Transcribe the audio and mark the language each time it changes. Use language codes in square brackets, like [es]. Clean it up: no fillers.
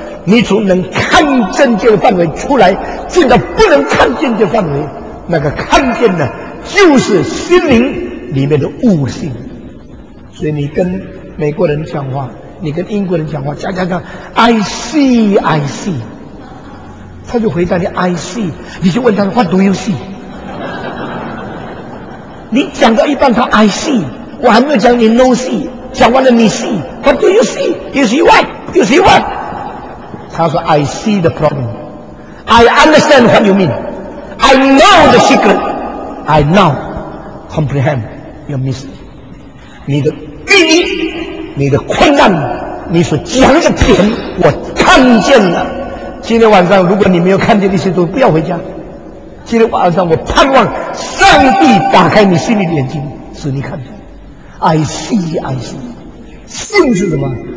[zh] 你从能看见这个范围出来，进到不能看见这个范围，那个看见呢，就是心灵里面的悟性。所以你跟美国人讲话，你跟英国人讲话，讲讲讲 ， [en] I see, I see， [zh] 他就回答你 [en] I see， [zh] 你就问他 [en] What do you see？ [zh] 你讲到一半，他 [en] I see， [zh] 我还没有讲你 [en] No see， [zh] 讲完了你 [en] see， What do you see？ You see what？ [zh] You see what？ [en] 他说 I see the problem. I understand what you mean. I know the secret. I now comprehend your mystery. [zh] 你的秘密，你的困难，你所讲的点，我看见了。今天晚上如果你没有看见这些东西，不要回家。今天晚上我盼望上帝打开你心里的眼睛，使你看见。 [en] I see, I see. [zh] 信是什么？